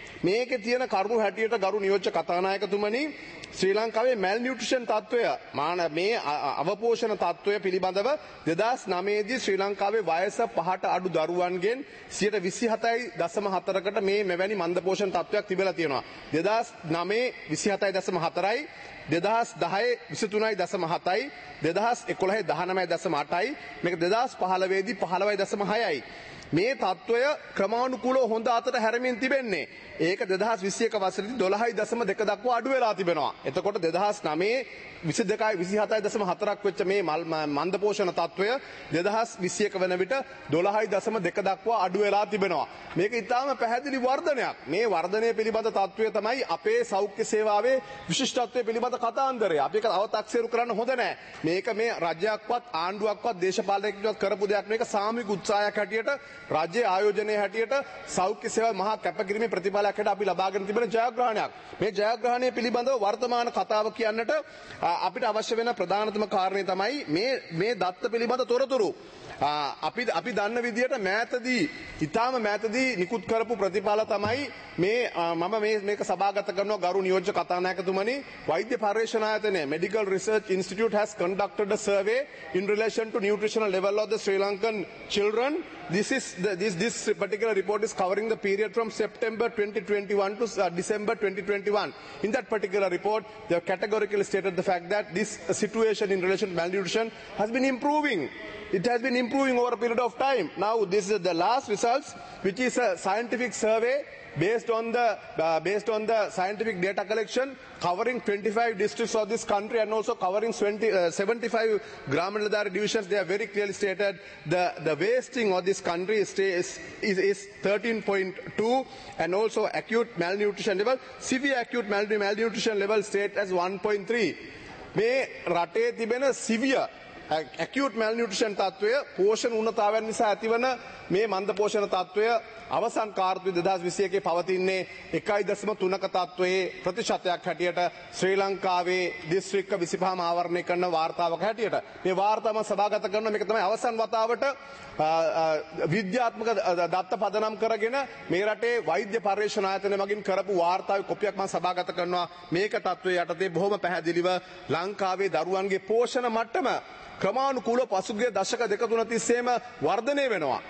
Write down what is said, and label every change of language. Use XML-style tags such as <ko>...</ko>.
<si>Meke thiyena karunu hatiyata garu niyojcha kathanayaka thumani Sri Lankawe malnutrition tattwaya mana me avaposhana tattwaya pilibandawa 2009 edi Sri Lankawe vayasa 5ta adu daruwan gen 127.4 kata me mevani mandaposhana tattwayak thibela thiyena 2009 27.4 2010 23.7 2011 19.8 meka 2015 edi 15.6 මේ තත්ත්වය ක්‍රමානුකූලව හොඳ අතර හැරමින් තිබෙන්නේ. ඒක 2021 වසරේදී 12.2 දක්වා අඩු වෙලා තිබෙනවා. එතකොට 2009 22 27.4 වෙච්ච මේ මන්දපෝෂණ තත්ත්වය 2021 වන විට 12.2 දක්වා අඩු වෙලා තිබෙනවා. මේක ඉතාම පැහැදිලි වර්ධනයක්. මේ වර්ධනය පිළිබඳ තත්ත්වය තමයි අපේ සෞඛ්‍ය සේවාවේ විශිෂ්ටත්වය පිළිබඳ කතාන්දරය. අපි ඒක අවතක්සේරු කරන්න හොඳ නැහැ. මේක මේ රජයක්වත් ආණ්ඩුවක්වත් දේශපාලකයෙක්වත් කරපු දෙයක් නෙවෙයි. මේක සාමික උත්සාහයක් හැටියට රාජ්‍ය ආයෝජනයේ හැටියට සෞඛ්‍ය සේවා මහා කැපකිරීමේ ප්‍රතිඵලයක් හැටියට අපි ලබාගෙන තිබෙන ජයග්‍රහණයක්. මේ ජයග්‍රහණය පිළිබඳව වර්තමාන වර්තමාන කතාව කියන්නට අපිට අවශ්‍ය වෙන ප්‍රධානතම කාරණය තමයි මේ මේ දත්ත පිළිබඳ තොරතුරු. අපි අපි දන්න විදිහට මෑතදී ඉතාම මෑතදී නිකුත් කරපු ප්‍රතිඵල තමයි මේ මම මේ මේක සභාගත කරන ගරු නියෝජ්‍ය කතානායකතුමනි වෛද්‍ය පර්යේෂණ ආයතනය</si> <en>Medical Research Institute has conducted a survey in relation to nutritional level of the Sri Lankan children. This particular report is covering the period from September 2021 to December 2021. In that particular report, they have categorically stated the fact that this situation in relation to malnutrition has been improving. It has been improving over a period of time. Now, this is the last results, which is a scientific survey based on the scientific data collection covering 25 districts of this country and also covering 75 gram niladhari divisions. They have very clearly stated the wasting of this country is 13.2, and also acute malnutrition level, severe acute malnutrition level state as 1.3.</en> <si>මේ රටේ තිබෙන severe acute malnutrition තත්වය පෝෂණ උනතාවයන් නිසා ඇතිවන මේ මන්ද පෝෂණ තත්වය අවසන් කාර්තුවේ 2021 පවතින්නේ 1.3ක තත්වයේ ප්‍රතිශතයක් හැටියට ශ්‍රී ලංකාවේ දිස්ත්‍රික්ක 25 ආවරණය කරන වාර්තාවක හැටියට මේ වාර්තාව සභාගත කරන මේක තමයි අවසන් වතාවට විද්‍යාත්මක දත්ත පදනම් කරගෙන මේ රටේ වෛද්‍ය පර්යේෂණ ආයතනය මගින් කරපු වාර්තාවේ කොපියක් මම සභාගත කරනවා මේක තත්වයේ යටතේ බොහොම පැහැදිලිව ලංකාවේ දරුවන්ගේ පෝෂණ මට්ටම ක්‍රමානුකූලව පසුගිය දශක දෙක තුන තිස්සේම වර්ධනය වෙනවා.</si>